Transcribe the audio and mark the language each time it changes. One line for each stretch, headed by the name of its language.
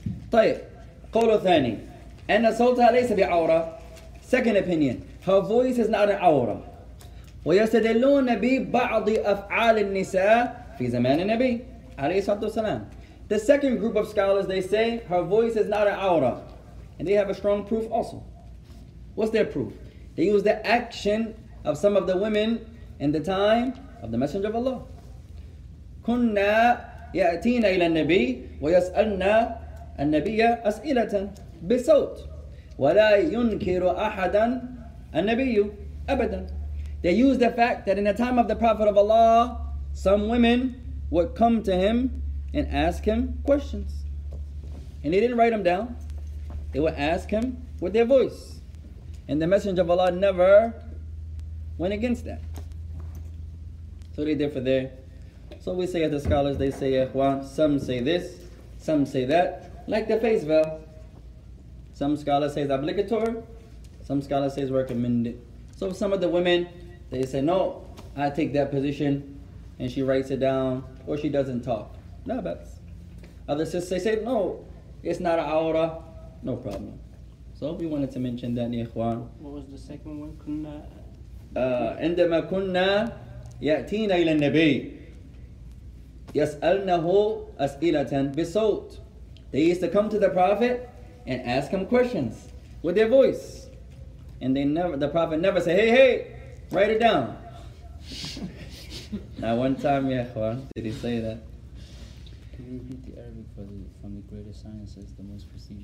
Arabic: طيب قولوا ثاني أن صوتها ليس بعورة.
English: Second opinion, her voice is not an عورة.
Arabic: ويستدلون ببعض أفعال النساء في زمان النبي عليه الصلاة والسلام.
English: The second group of scholars, they say her voice is not an عورة, and they have a strong proof also. What's their proof? They use the action of some of the women in the time of the Messenger of Allah.
Arabic: كنا يأتينا إلى النبي ويسألنا النبي أسئلة بصوت ولا ينكر أحدا النبي أبدا.
English: They use the fact that in the time of the Prophet of Allah, some women would come to him and ask him questions, and they didn't write them down. They would ask him with their voice, and the Messenger of Allah never went against that. So they differ there. So we say, as the scholars, they say, Ikhwan, some say this, some say that. Like the face veil, some scholars say it's obligatory, some scholars say it's recommended. So some of the women, they say, no, I take that position, and she writes it down, or she doesn't talk. No, but other sisters, they say, no, it's not an awra, no problem. So we wanted to mention that, Ikhwan. What was the second one?
Arabic: عندما كنا يأتينا إلى النبي يسألنه أسئلة بصوت.
English: They used to come to the Prophet and ask him questions with their voice. And they never, the Prophet never said, hey, write it down. Not one time, yeah, Juan, did he say that. Can you repeat the Arabic from the greatest sciences, the most prestigious?